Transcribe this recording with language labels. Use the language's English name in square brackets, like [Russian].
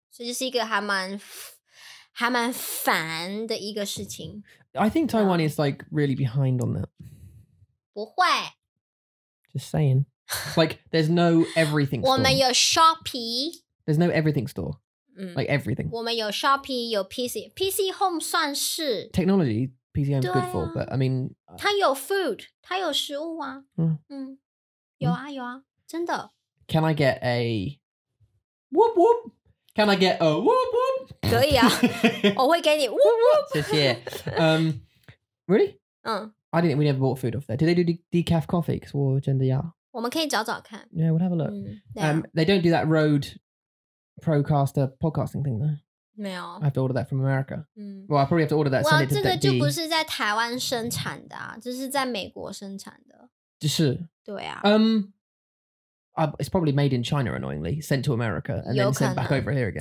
[Chinese] 所以就是一个还蛮烦的一个事情。 [English] I think Taiwan is like really behind on that. [Chinese] 不会。 [English] Just saying. Like there's no everything store. [Chinese] 我们有 Shopee. [English] There's no everything store. Like everything. [Chinese] 我们有 Shopee, 有 PC. PC Home 算是。 [English] Technology, PC Home is good for, but I mean. [Chinese] 它有 food, 它有食物啊。有啊,真的。 [English] Can I get a whoop whoop? Can I get a whoop whoop? [Chinese] 可以啊, 我会给你 [English] whoop whoop. [Chinese] 谢谢. [English] Really? I didn't think we never bought food off there. Do they do decaf coffee? Because we're gender, yeah. [Chinese] 我们可以找找看. [English] Yeah, we'll have a look. They don't do that Rode Procaster podcasting thing though. [Chinese] 没有. [English] I have to order that from America. Well, I probably have to order that. Well, [Chinese] 这个就不是在台湾生产的啊, 这是在美国生产的. 就是. 对啊. [English] It's probably made in China, annoyingly, sent to America, and then sent back over here again.